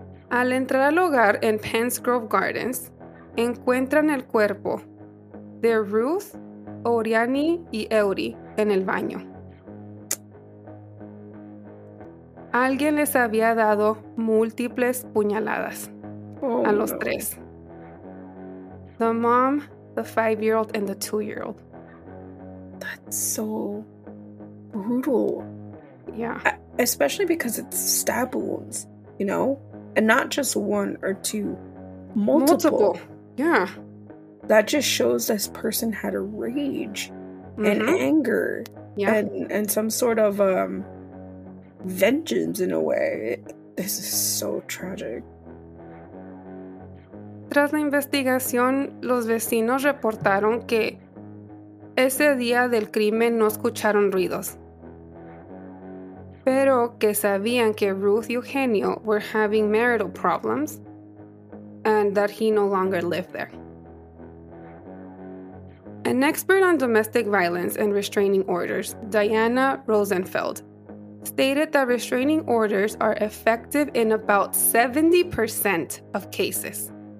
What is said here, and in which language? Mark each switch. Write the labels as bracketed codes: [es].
[es] Al entrar al hogar en Pensgrove Gardens, encuentran el cuerpo de Ruth, Eurianny, y Eury en el baño. Alguien les había dado múltiples puñaladas a los tres. [en] The mom, the 5-year-old, and the 2-year-old. That's so brutal. Yeah. Especially because it's stab wounds, you know? And not just one or two. Multiple. Yeah. That just shows this person had a rage, mm-hmm. and anger. Yeah. And some sort of vengeance in a way. This is so tragic. [es] Tras la investigación, los vecinos reportaron que ese día del crimen no escucharon ruidos. pero que sabían que Ruth y Eugenio [en] were having marital problems and that he no longer lived there. An expert on domestic violence and restraining orders, Diana Rosenfeld, stated that restraining orders are effective in about 70% of cases.